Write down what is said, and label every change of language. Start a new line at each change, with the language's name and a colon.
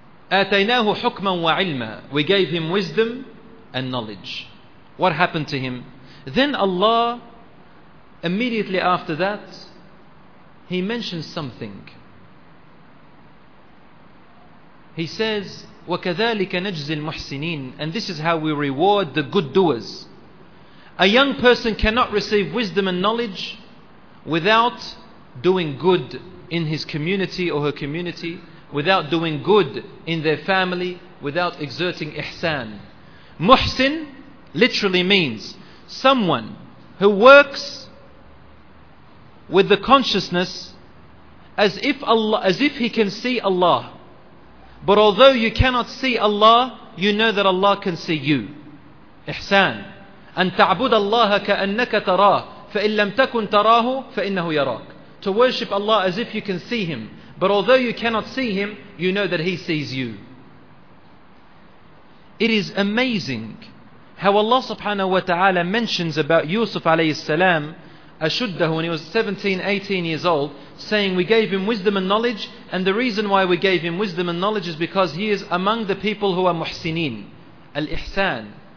Arabic: آتيناه حكما وعلما.
English: We gave him wisdom and knowledge. What happened to him? Then Allah, immediately after that, He mentions something. He says,
Arabic: وَكَذَلِكَ نَجْزِي الْمُحْسِنِينَ.
English: And this is how we reward the good doers. A young person cannot receive wisdom and knowledge without doing good in his community or her community, without doing good in their family, without exerting ihsan. Muhsin literally means someone who works with the consciousness as if Allah, as if he can see Allah. But although you cannot see Allah, you know that Allah can see you. Ihsan.
Arabic: أن تعبد الله كأنك تراه فإن لم تكن تراه فإنه يراك.
English: To worship Allah as if you can see Him. But although you cannot see Him, you know that He sees you. It is amazing how Allah subhanahu wa ta'ala mentions about Yusuf alayhi salam, أشده, when he was 17, 18 years old, saying we gave him wisdom and knowledge, and the reason why we gave him wisdom and knowledge is because he is among the people who are muhsineen. Al-ihsan.